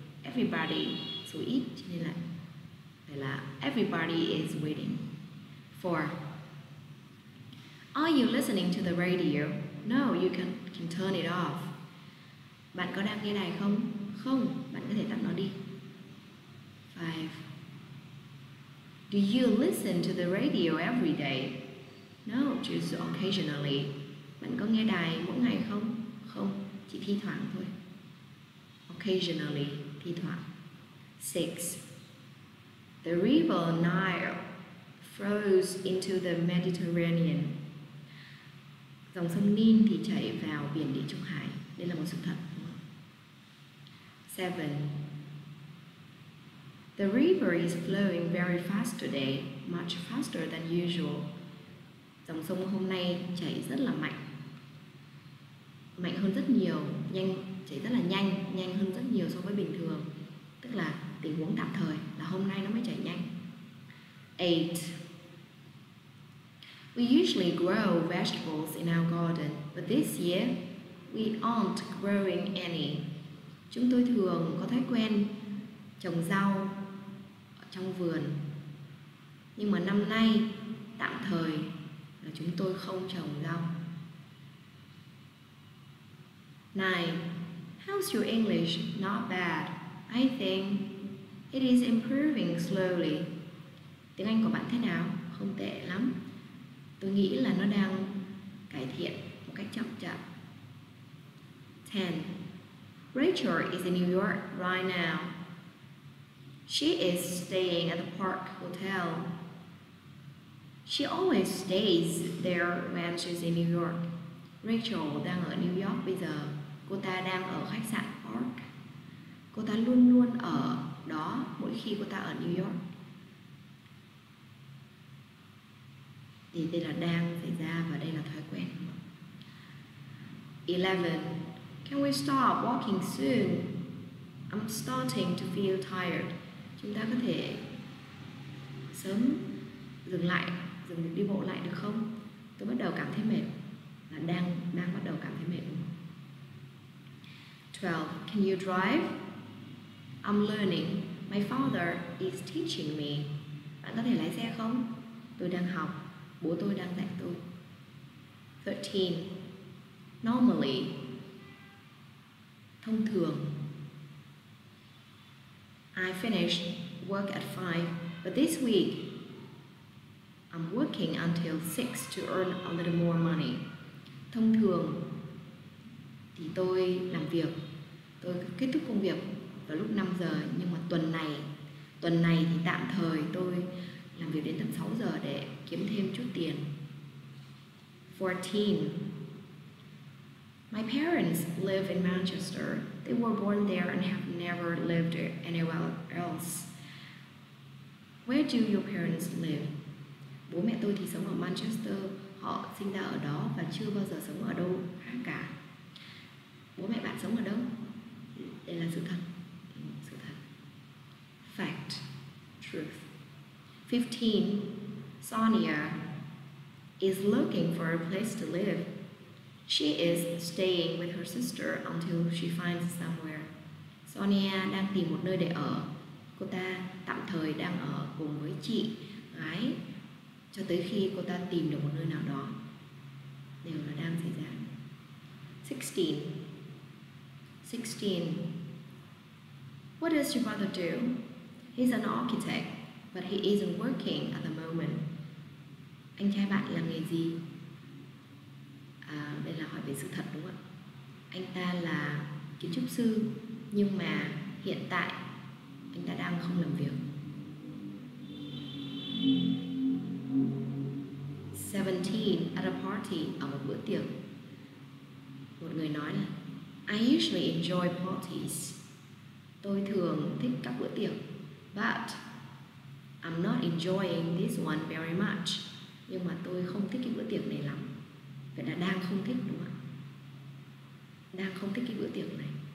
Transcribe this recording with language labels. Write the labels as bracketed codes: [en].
[en] Everybody, [vi] số ít cho nên là [en] everybody is waiting. 4. Are you listening to the radio? No, you can turn it off. [vi] Bạn có đang nghe đài không? Không, bạn có thể tắt nó đi. [en] 5. Do you listen to the radio every day? No, just occasionally. [vi] Bạn có nghe đài mỗi ngày không? Không, chỉ thi thoảng thôi. [en] Occasionally, [vi] thi thoảng. [en] 6. The river Nile flows into the Mediterranean. [vi] Dòng sông Nin thì chảy vào biển Địa Trung Hải. Đây là một sự thật. 7. [en] The river is flowing very fast today, much faster than usual. [vi] Dòng sông hôm nay chảy rất là mạnh. Mạnh hơn rất nhiều, nhanh, chảy rất là nhanh, nhanh hơn rất nhiều so với bình thường. Tức là tình huống tạm thời là hôm nay nó mới chảy nhanh. [en] 8. We usually grow vegetables in our garden, but this year we aren't growing any. [vi] Chúng tôi thường có thói quen trồng rau ở trong vườn. Nhưng mà năm nay, tạm thời là chúng tôi không trồng rau. [en] 9. How's your English? Not bad. I think it is improving slowly. [vi] Tiếng Anh của bạn thế nào? Không tệ lắm. Tôi nghĩ là nó đang cải thiện một cách chậm chậm. [en] 10. Rachel is in New York right now. She is staying at the Park Hotel. She always stays there when she's in New York. [vi] Rachel đang ở New York bây giờ. Cô ta đang ở khách sạn Park. Cô ta luôn luôn ở đó mỗi khi cô ta ở New York. Thì đây là đang xảy ra và đây là thói quen. 11. [en] Can we stop walking soon? I'm starting to feel tired. [vi] Chúng ta có thể sớm dừng lại, dừng đi bộ lại được không? Tôi bắt đầu cảm thấy mệt. Là đang bắt đầu cảm thấy mệt. [en] 12. Can you drive? I'm learning. My father is teaching me. [vi] Bạn có thể lái xe không? Tôi đang học. Bố tôi đang dạy tôi. 13. [en] Normally. [vi] Thông thường. [en] I finished work at 5, but this week I'm working until 6 to earn a little more money. [vi] Thông thường thì tôi làm việc, tôi kết thúc công việc vào lúc 5 giờ, nhưng mà tuần này thì tạm thời tôi làm việc đến tầm 6 giờ để kiếm thêm chút tiền. [en] 14. My parents live in Manchester. They were born there and have never lived anywhere else. Where do your parents live? [vi] Bố mẹ tôi thì sống ở Manchester. Họ sinh ra ở đó và chưa bao giờ sống ở đâu khác cả. Bố mẹ bạn sống ở đâu? Đây là sự thật. Sự thật. [en] Fact. Truth. 15. Sonia is looking for a place to live. She is staying with her sister until she finds somewhere. [vi] Sonia đang tìm một nơi để ở. Cô ta tạm thời đang ở cùng với chị gái cho tới khi cô ta tìm được một nơi nào đó. Điều là đang xảy ra. [en] 16. What does your brother do? He's an architect, but he isn't working at the moment. [vi] Anh trai bạn làm nghề gì? Đây là hỏi về sự thật đúng không ạ? Anh ta là kiến trúc sư, nhưng mà hiện tại anh ta đang không làm việc. [en] 17. At a party, [vi] ở một bữa tiệc, một người nói là [en] I usually enjoy parties. [vi] Tôi thường thích các bữa tiệc. [en] But I'm not enjoying this one very much. [vi] Nhưng mà tôi không thích cái bữa tiệc này lắm. Vậy là đang không thích đúng không ạ? Đang không thích cái bữa tiệc này.